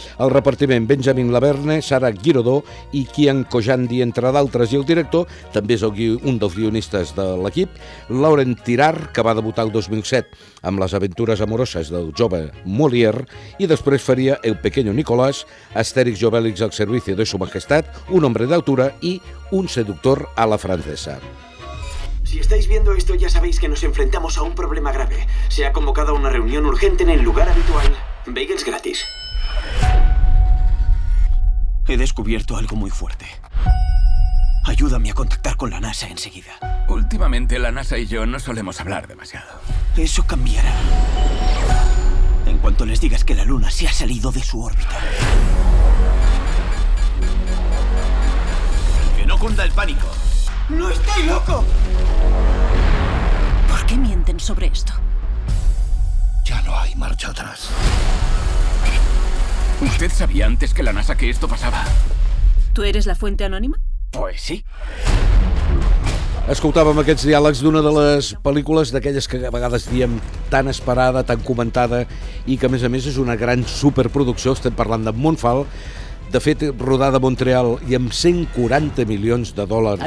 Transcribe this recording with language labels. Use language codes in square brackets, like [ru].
[ca] El repartiment: Benjamin Laverne, Sara Guirodó i Kian Kojandi, entre d'altres, i el director també és un dels guionistes de l'equip, Lauren Tirar, que va debutar el 2007 amb Les aventures amoroses del jove Molière, i després faria El pequeño Nicolás, Astèrix i Obèlix al servicio de su majestad, Un hombre de altura i Un seductor a la francesa. [es] Si estáis viendo esto, ya sabéis que nos enfrentamos a un problema grave. Se ha convocado una reunión urgente en el lugar habitual. Bagels gratis. He descubierto algo muy fuerte. Ayúdame a contactar con la NASA enseguida. Últimamente la NASA y yo no solemos hablar demasiado. Eso cambiará. En cuanto les digas que la Luna se ha salido de su órbita. Que no cunda el pánico. ¡No estoy loco! ¿Por qué mienten sobre esto? Ya no hay marcha atrás. ¿Usted sabía antes que la NASA que esto pasaba? ¿Tú eres la fuente anónima? Pues sí. [ca] Escoltàvem aquests diàlegs d'una de les pel·lícules d'aquelles que a vegades diem tan esperada, tan comentada, i que a més és una gran superproducció. Estem parlant de Moonfall, de fet rodada a Montreal i amb 140 milions de dòlars.